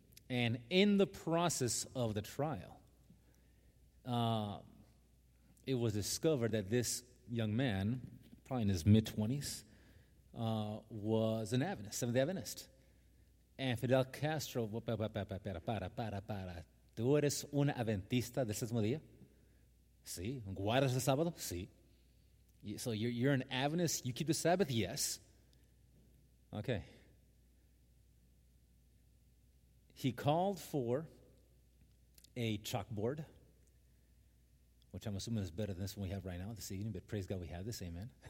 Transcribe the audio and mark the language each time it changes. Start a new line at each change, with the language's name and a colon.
English: And in the process of the trial, it was discovered that this young man, probably in his mid-20s, was an Adventist, Seventh-day Adventist.
Spanish: And Fidel Castro, para, ¿tú eres un Adventista del séptimo día? Sí. ¿Guardas el sábado? Sí.
English: So you're an Adventist, you keep the Sabbath? Yes. Okay. He called for a chalkboard, which I'm assuming is better than this one we have right now this evening, but praise God we have this, amen.